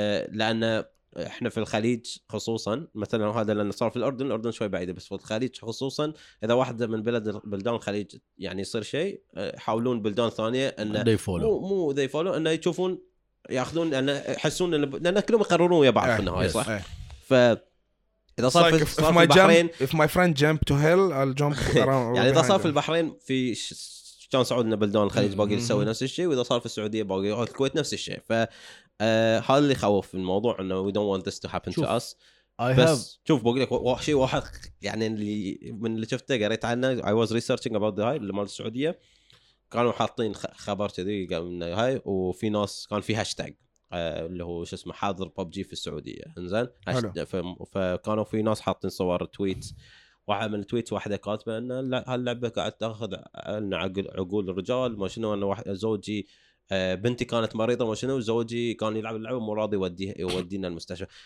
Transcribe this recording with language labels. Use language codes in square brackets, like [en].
[ar] لان احنا في الخليج خصوصا مثلا هذا لان صار في الاردن شوي بعيده بس في الخليج خصوصا اذا واحد من بلدان الخليج يعني يصير شيء يحاولون بلدان ثانيه انه مو ذي فولو انه يشوفون ياخذون انه يحسون لان كلهم يقررون ويا بعض في النهايه صح ف اذا صار في البحرين [en] if my friend jump to hell I'll jump [ar] يعني اذا صار في البحرين في كان سعود انه بلدان الخليج باقي يسوي نفس الشيء، واذا صار في السعوديه باقي يروح الكويت نفس الشيء. ف هذا اللي خوف في الموضوع انه [en] We don't want this to happen to us. [ar] I have شوف بقول لك شيء واحد يعني اللي من اللي شفته قريت عنه [en] I was researching about the high [ar] مال السعودية، كانوا حاطين خبر كذي قالوا انه هاي، وفي ناس كان في هاشتاج اللي هو شو اسمه حاضر ببجي في السعودية، انزين فكانوا في ناس حاطين صور تويت، واحد من التويتس واحدة كاتبة ان هاللعبة قاعد تاخذ عقول الرجال ما شنو، انه واحد زوجي بنتي كانت مريضة ما شنو، زوجي كان يلعب اللعبة مو راضي يودينا المستشفى.